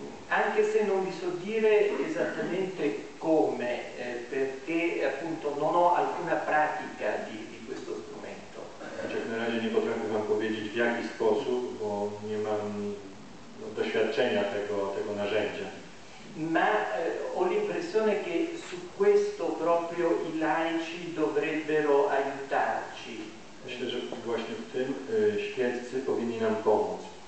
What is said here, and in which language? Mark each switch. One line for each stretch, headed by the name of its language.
Italian: Anche se non vi so dire esattamente come, perché appunto non ho alcuna pratica di questo strumento.
Polish: Cioè, na razie nie potrafię wam powiedzieć, w jaki sposób, bo nie mam doświadczenia tego narzędzia.
Italian: Ma ho l'impressione che su questo proprio i laici dovrebbero aiutarci.
Polish: Myślę, że właśnie w tym świeccy powinni nam pomóc.